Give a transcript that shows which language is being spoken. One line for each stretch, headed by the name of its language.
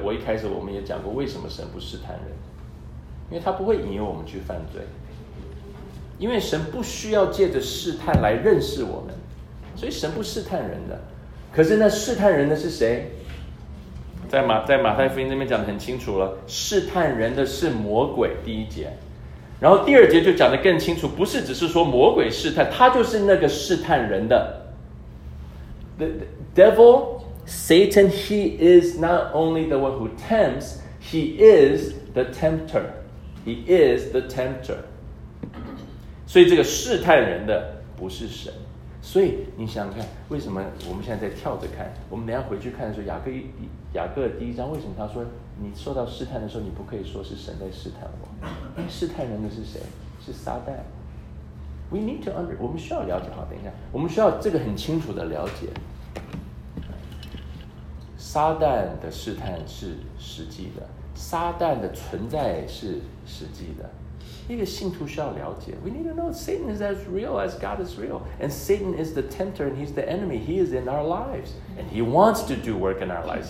Chinese: 我一开始我们也讲过为什么神不试探人，因为他不会引诱我们去犯罪，因为神不需要借着试探来认识我们，所以神不试探人的。可是那试探人的是谁？在马太福音这边讲得很清楚了，试探人的是魔鬼，第一节。然后第二节就讲得更清楚，不是只是说魔鬼试探，他就是那个试探人的。
English: The devil, Satan, he is not only the one who tempts, he is the tempter. He is the tempter.
Chinese: 所以这个试探人的不是神。所以你想想看，为什么我们现在在跳着看，我们等一下回去看的时候，雅各第一章为什么他说你受到试探的时候你不可以说是神在试探我，试探人的是谁？是撒旦。
English: We need to understand.
Chinese: 我们需要了解，好，等一下我们需要这个很清楚的了解，撒旦的试探是实际的，撒旦的存在是实际的，一个信徒需要了解。
English: We need to know Satan is as real as God is real. And Satan is the tempter and he's the enemy. He is in our lives. And he wants to do work in our lives.